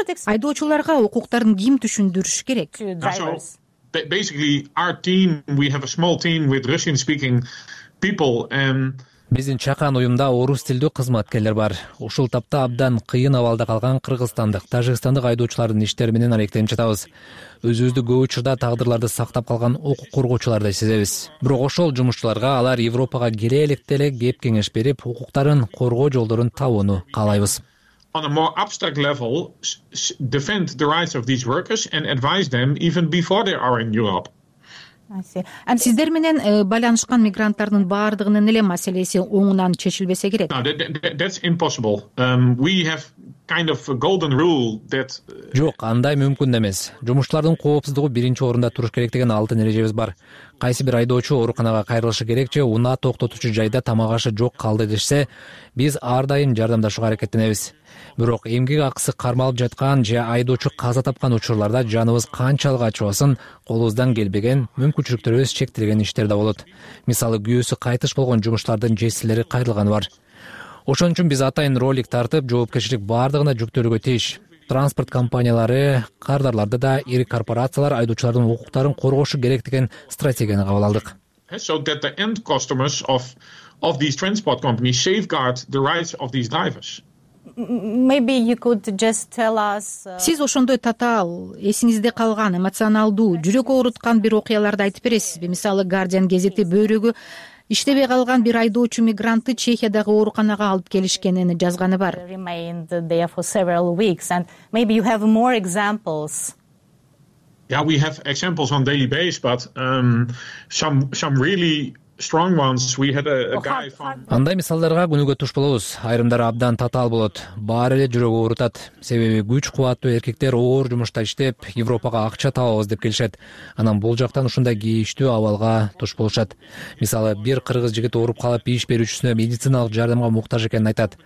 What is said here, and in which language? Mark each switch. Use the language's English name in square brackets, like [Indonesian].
[Kyrgyz] Айдоочуларга укуктарын ким түшүндүрүш керек? [English] Basically our team, we have a small team with Russian speaking people and [Kyrgyz] биздин чакан уюмда орус тилдүү кызматкерлер бар. Ушул тапта абдан кыйын абалда калган кыргызстандык, тажикстандык айдоочулардын иштери менен алектенип жатабыз. Өзүбүздү көп учурда тагдырларды сактап калган укук коргоочулардай сезебиз. Бирок ошол жумушчуларга алар Европага келе электе эле кеп кеңеш берип, укуктарын коргоо жолдорун табууну каалайбыз. [English] On a more abstract level, defend the rights of these workers and advise them even before they are in Europe. [Kyrgyz] Сиздер менен байланышкан мигранттардын баардыгынын эле маселеси оңунан чечилбесе керек? [English] That's impossible. We have kind of a golden rule that [Kyrgyz] жок, андай мүмкүн эмес. Жумушчулардын коопсуздугу биринчи орунда туруш керек деген алтын эрежебиз бар. Кайсы бир айдоочу ооруканага кайрылышы керек же унаа токтотуучу жайда тамак ашы жок калды дешсе, биз ар дайым жардамдашууга аракеттенебиз. Бирок эмгек акысы кармалып жаткан же айдоочу каза тапкан учурларда жаныбыз канчалык ачыбасын, колубуздан келбеген мүмкүнчүлүктөрүбүз чектелген иштер да болот. Мисалы, күйөөсү кайтыш болгон жумушчулардын жесирлери кайрылганы бар. Ошон үчүн биз атайын ролик тартып, жоопкерчилик бардыгына жүктөлүүгө тийиш. Транспорт компаниялары, кардарларды да, ири корпорациялар айдоочулардын укуктарын коргошу керек деген стратегияны кабыл алдык. [English] So that the end customers of these transport companies safeguard the rights of these drivers. Maybe you could just tell us. [Kyrgyz] Сиз ошондой татаал, эсиңизде калган, эмоционалдуу, жүрөк ооруткан бир окуяларды айтып бересизби? Мисалы, Guardian гезити бөйрөгү иштебей калган бир айдоочу мигрантты Чехиядагы ооруканага алып келишкенин жазганы бар. [English] Remained there for several weeks and maybe you have more examples. Yeah, we have examples on daily basis, but some really strong ones. We had a guy from [Kyrgyz] Андай мисалдарга күнүгө туш болобуз. Айрымдары абдан татаал болот. Баары эле жүрөк оорутат. Себеби күч кубаттуу эркектер оор жумушта иштеп, Европага акча табабыз деп келишет. Анан бул жактан ушундай кейиштүү абалга туш болушат. Мисалы, бир кыргыз жигит ооруп калып, иш берүүчүсүнө медициналык жардамга муктаж экенин айтат.